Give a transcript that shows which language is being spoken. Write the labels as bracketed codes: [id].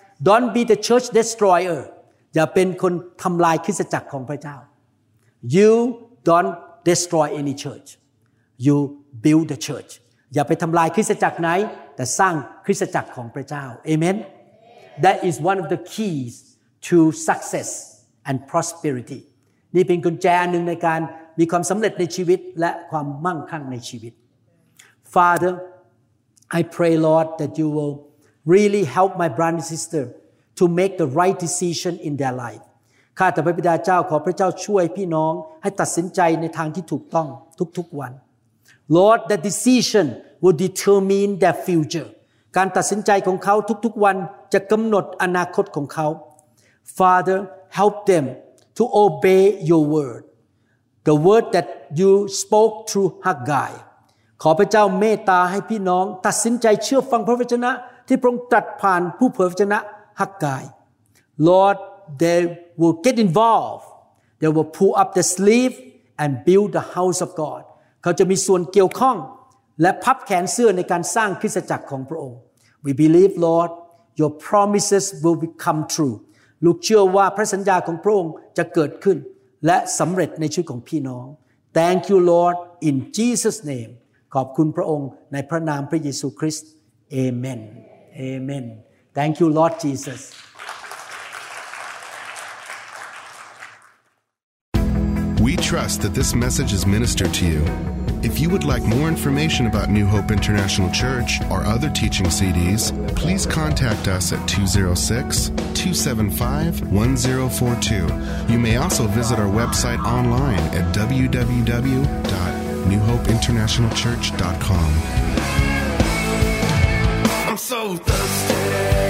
[en] Don't be the church destroyer. [th] อย่าเป็นคนทำลายคริสตจักรของพระเจ้า [en] You don't destroy any church. You build the church. [th] อย่าไปทำลายคริสตจักรไหนแต่สร้างคริสตจักรของพระเจ้า Amen. [en] That is one of the keys to success and prosperity. [th] นี่เป็นกุญแจอันหนึ่งในการมีความสำเร็จในชีวิตและความมั่งคั่งในชีวิต [en] Father, I pray, Lord, that you will really help my brother and sisterTo make the right decision in their life. [th] ข้าแต่พระบิดาเจ้าขอพระเจ้าช่วยพี่น้องให้ตัดสินใจในทางที่ถูกต้องทุกๆวัน [en] Lord, the decision will determine their future. [th] การตัดสินใจของเขาทุกๆวันจะกำหนดอนาคตของเขา [en] Father, help them to obey your word. The word that you spoke through Haggai. [th] ขอพระเจ้าเมตตาให้พี่น้องตัดสินใจเชื่อฟังพระวจนะที่พระองค์ตรัสผ่านผู้เผยพระวจนะฮักกาย [en] Lord, they will get involved. They will pull up their sleeve and build the house of God. [th] เขาจะมีส่วนเกี่ยวข้องและพับแขนเสื้อในการสร้างคริสตจักรของพระองค์ [en] We believe, Lord, your promises will become true. [th] ลูกเชื่อว่าพระสัญญาของพระองค์จะเกิดขึ้นและสำเร็จในชีวิตของพี่น้อง [en] Thank you, Lord, in Jesus' name. [th] ขอบคุณพระองค์ในพระนามพระเยซูคริสต์เอเมนเอเมน [en] Thank you Lord Jesus We trust that this message is ministered to you If you would like more information about New Hope International Church or other teaching CDs please contact us at 206-275-1042 You may also visit our website online at www.newhopeinternationalchurch.com I'm so thirsty